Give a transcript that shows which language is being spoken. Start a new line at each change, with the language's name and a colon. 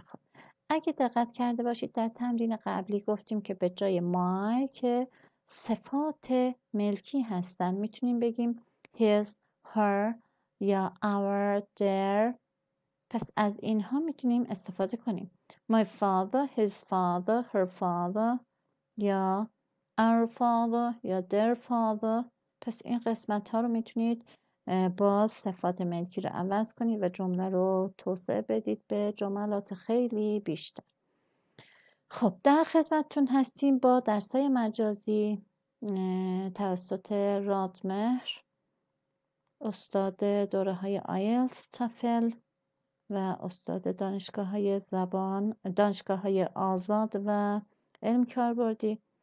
Persian: خب اگه دقت کرده باشید در تمرین قبلی گفتیم که به جای my که صفات ملکی هستن میتونیم بگیم his، her یا our، their. پس از اینها میتونیم استفاده کنیم.
English: My father، his father، her father یا our father یا their father.
Persian: پس این قسمت ها رو میتونید باز صفات ملکی رو عوض کنید و جمله رو توسعه بدید به جملات خیلی بیشتر. خب در خدمتتون هستیم با درس های مجازی توسط رادمهر، استاد دوره های آیلتس تفل و استاد دانشگاه های آزاد و علم کاربردی.